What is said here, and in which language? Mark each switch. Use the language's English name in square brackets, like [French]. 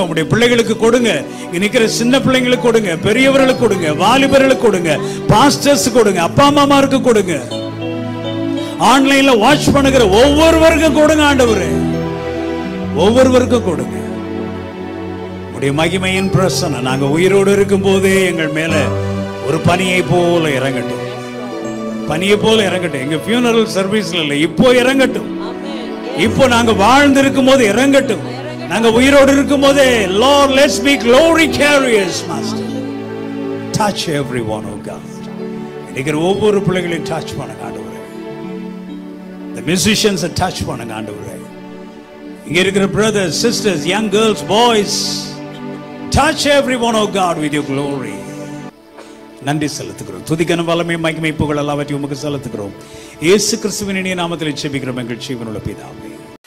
[Tamil] உங்களுடைய பிள்ளைகளுக்கு கொடுங்க, நிக்கிற சின்ன பிள்ளைங்களுக்கு கொடுங்க, பெரியவர்களுக்கு கொடுங்க, வாலிபர்களுக்கு கொடுங்க, பாஸ்டர்ஸ் கொடுங்க, அப்பா அம்மாருக்கு கொடுங்க, ஆன்லைன்ல வாட்ச் பண்ணுகிற ஒவ்வொருவருக்கும் கொடுங்க ஆண்டவரே. ஒவ்வொருவருக்கும் கொடுங்க. உங்களுடைய மகிமையின் பிரசன்னம் நாங்க உயிரோடு இருக்கும் போதே எங்கள் மேல ஒரு பனியை போல இறங்கட்டும். பணியை போல இறங்கட்டும். எங்க ஃபியூனரல் சர்வீஸ்ல இல்லை, இப்போ இறங்கட்டும். இப்போ நாங்க வாழ்ந்து இருக்கும் போது இறங்கட்டும். நாங்க உயிரோடு இருக்கும் போதே [English] Lord, let's be glory carriers, Master. Touch everyone, oh God. [Tamil] இன்னைக்கு ஒவ்வொரு பிள்ளைகளையும் டச் பண்ண ஆண்டவரே. [English] The musicians are touch [Tamil] பண்ண ஆண்டவரே. இங்க இருக்கிற brothers, sisters, young girls, boys, [English] Touch everyone, oh God, with your glory. [Tamil] நன்றி செலுத்துகிறோம். துதிகன வல்லமை மகிமை புகழ் எல்லாவற்றையும் உமக்கு செலுத்துகிறோம். இயேசு கிறிஸ்துவின் இனிய நாமத்தில் ஜெபிக்கிறோம் எங்கள் ஜீவனுள்ள பிதாவே.